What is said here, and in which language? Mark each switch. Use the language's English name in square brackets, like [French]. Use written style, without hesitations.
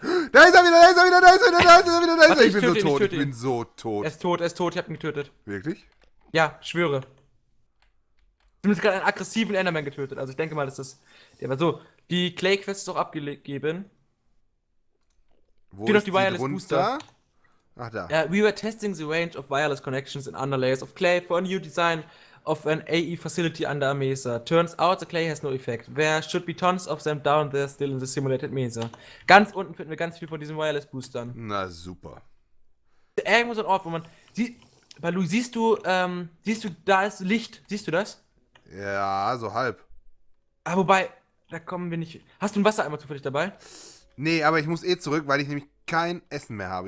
[German] Da ist er wieder, da ist er wieder, da ist er wieder, da ist er wieder, da ist er wieder. Ich bin so ihn, tot, ich ihn. Bin so tot. Er ist tot, ich habe ihn getötet. Wirklich? Ja, schwöre. Du hast gerade einen aggressiven Enderman getötet. Also ich denke mal, dass das. Der war so. Die Clay Quest ist doch abgegeben. Wo ist noch die die Wireless drunter? Booster. Ach da. [English] We were testing the range of wireless connections in under layers of clay for a new design of an AE facility under a mesa. Turns out the clay has no effect. There should be tons of them down there still in the simulated mesa. [German] Ganz unten finden wir ganz viel von diesen wireless Boostern. Na super. Irgendwo so ein Ort, wo man... Balu, siehst du, da ist Licht. Siehst du das? Ja, so halb. Aber wobei, da kommen wir nicht... Hast du ein Wassereimer zufällig dabei? Nee, aber ich muss eh zurück, weil ich nämlich kein Essen mehr habe.